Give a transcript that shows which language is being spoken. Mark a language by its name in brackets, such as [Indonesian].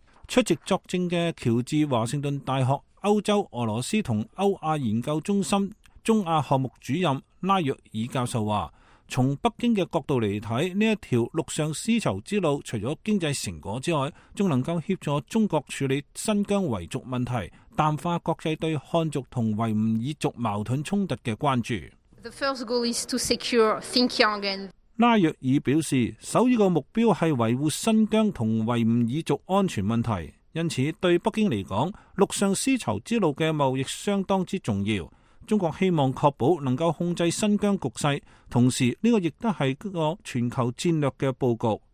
[Chinese] 出席作证的乔治华盛顿大学欧洲俄罗斯和欧亚研究中心中亚项目主任拉若尔教授说，从北京的角度来看，这一条陆上丝绸之路除了经济成果之外，还能够协助中国处理新疆维族问题，淡化国际对汉族和维吾尔族矛盾冲突的关注。 [English] The first goal is to secure Xinjiang and... [Chinese] 拉若尔表示，首要的目标是维护新疆和维吾尔族安全问题，因此对北京来说，陆上丝绸之路的贸易相当之重要。中国希望确保能够控制新疆局势，同时这个亦都是一个全球战略的布局。